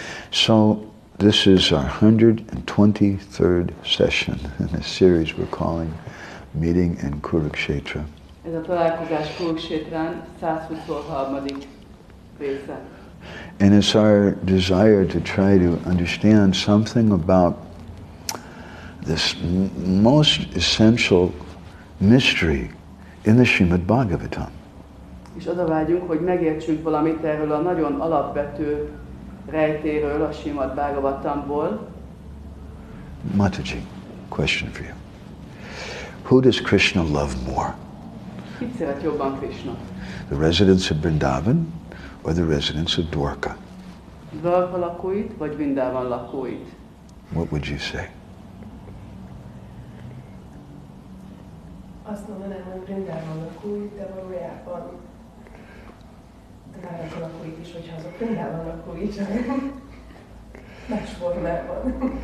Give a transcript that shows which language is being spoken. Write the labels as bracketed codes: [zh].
[en] So this is our 123rd session in a series we're calling Meeting in Kurukshetra. [hu] Ez a találkozás Kurukshetrán 123. része. [en] And it's our desire to try to understand something about this most essential mystery in the Srimad Bhagavatam. [hu] És oda vágyunk, hogy megértsünk valamit erről a nagyon alapvető rejtéről a Srimad Bhagavatamból. [en] Mataji, question for you. Who does Krishna love more? [hu] Kit szeret jobban Krishna? [en] The residents of Vrindavan or the residents of Dwarka? [hu] Dwarka lakóit, vagy Vrindavan lakóit? [en] What would you say? [hu] Azt mondanám, hogy Vrindavan lakóit, de valójában Dwarka lakóit is, hogyha azok Vrindavan lakóit, más formában.